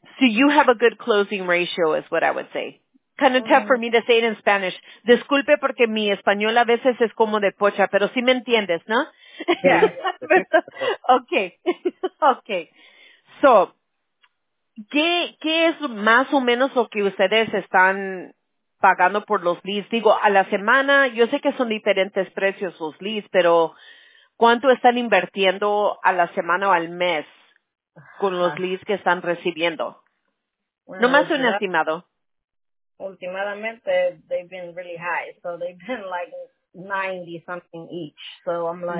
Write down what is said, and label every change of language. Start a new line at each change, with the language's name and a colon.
English: So you have a good closing ratio is what I would say. Kind of tough for me to say it in Spanish.
Spanish: Disculpe porque mi español a veces es como de pocha, pero sí me entiendes, ¿no?
English: Yeah. Okay. Okay.
Spanish: So, ¿qué es más o menos lo que ustedes están pagando por los leads? Digo, a la semana, yo sé que son diferentes precios los leads, pero ¿cuánto están invirtiendo a la semana o al mes con los leads que están recibiendo? Bueno, nomás un estimado.
English: Ultimadamente, they've been really high, so they've been like 90-something each, so I'm like...